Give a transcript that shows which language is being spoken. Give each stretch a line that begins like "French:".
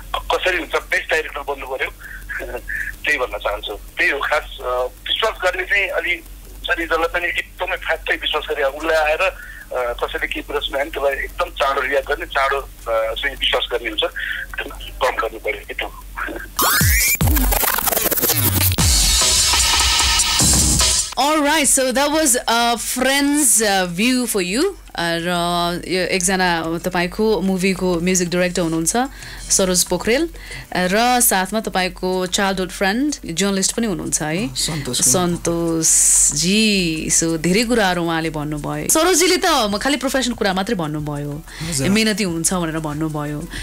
Nepali: कसरी हुन्छ best director बन्नु पऱ्यो त्यही भन्न चाहन्छु त्यही हो खास विश्वास गर्ने चाहिँ अलि जसरी जसलाई पनि एकदमै फ्याक्टै विश्वास गरे उसलाई आएर कसैले केही कुरा सुन्यो भने त्यसलाई एकदम चाँडो रियाक्ट गर्ने चाँडो चाहिँ विश्वास गर्ने हुन्छ कम गर्नु पऱ्यो कि त
English: All right, so that was a friend's view for you.
Nepali: र यो एकजना तपाईँको मुभीको म्युजिक डिरेक्टर हुनुहुन्छ सरोज पोखरेल र साथमा तपाईँको चाइल्डहुड फ्रेन्ड जर्नलिस्ट पनि हुनुहुन्छ है सन्तोषजी. सो धेरै कुराहरू उहाँले भन्नुभयो. सरोजीले त म खालि प्रोफेसनल कुरा मात्रै भन्नुभयो, मेहनती हुन्छ भनेर भन्नुभयो.